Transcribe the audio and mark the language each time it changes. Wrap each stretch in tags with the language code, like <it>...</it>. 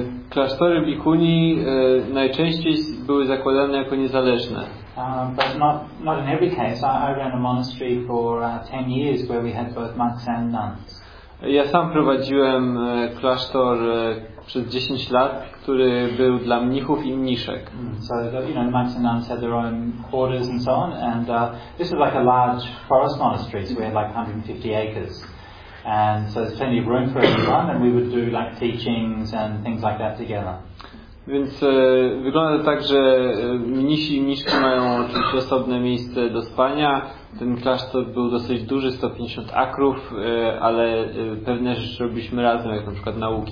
<pl>Klasztory bhikkhuni najczęściej były zakładane jako niezależne.</pl> <en>But not in every case. I ran a monastery for 10 years where we had both monks and nuns.</en> <pl>Ja sam prowadziłem klasztor przez 10 lat, który był dla mnichów i mniszek.</pl> <en>So the monks and nuns had their own quarters and so on, and this was like a large forest monastery, so we had like 150 acres, and so there's plenty of room for everyone, and we would do like teachings and things like that together.</en> <pl>Więc wygląda to tak, że mnisi i mniszki mają oczywiście osobne miejsce do spania. Ten klasztor był dosyć duży, 150 akrów, ale pewne rzeczy robiliśmy razem, jak na przykład nauki.</pl>